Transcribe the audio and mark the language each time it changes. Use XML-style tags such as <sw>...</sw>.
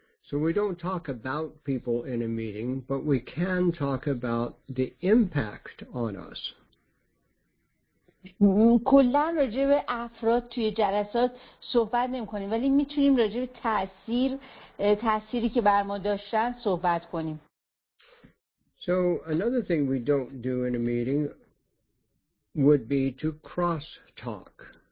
<en>So we don't talk about people in a meeting, but we can talk about the impact on us.</en> <fa>کلن راجع به افراد توی جلسات صحبت نمی کنیم ولی می تونیم راجع به تأثیری که بر ما داشتن صحبت کنیم.</fa> <en>So another thing we don't do in a meeting would be to cross talk.</en>